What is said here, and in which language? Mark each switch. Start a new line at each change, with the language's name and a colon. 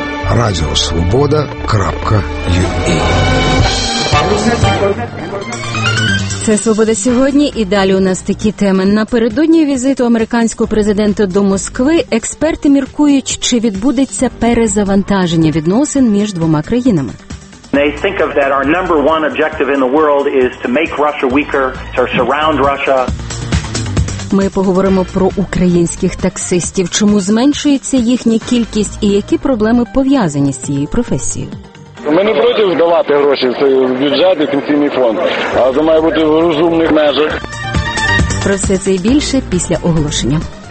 Ukrainian: radiosvoboda.ua. Це «Свобода сьогодні» і далі у нас такі теми. Напередодні візиту американського президента до Москви експерти міркують, чи відбудеться перезавантаження відносин між двома країнами.
English: They think of that our number one objective in the world is to make Russia weaker, to surround Russia.
Ukrainian: Ми поговоримо про українських таксистів. Чому зменшується їхня кількість і які проблеми пов'язані з цією професією? Ми не проти давати гроші в бюджет і пенсійний фонд, а це має бути в розумних межах. Про все це і більше після оголошення.